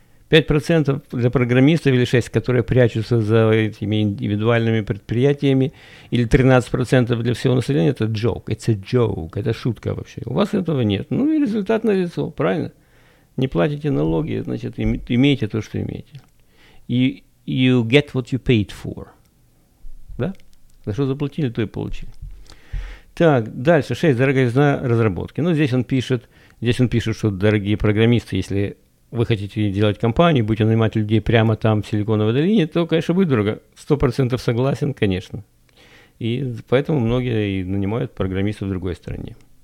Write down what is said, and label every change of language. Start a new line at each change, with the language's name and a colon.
Russian: 5% для программистов или 6%, которые прячутся за этими индивидуальными предприятиями, или 13% для всего населения, это джок. Это шутка вообще. У вас этого нет. Ну, и результат налицо, правильно? Не платите налоги, значит, имеете то, что имеете.
English: You get what you paid for.
Russian: Да? За что заплатили, то и получили. Так, дальше. 6. Дороговизна разработки. Ну, здесь он пишет, что дорогие программисты, если вы хотите делать компанию, будете нанимать людей прямо там, в Силиконовой долине, то, конечно, будет дорого. 100% согласен, конечно. И поэтому многие и нанимают программистов в другой стране.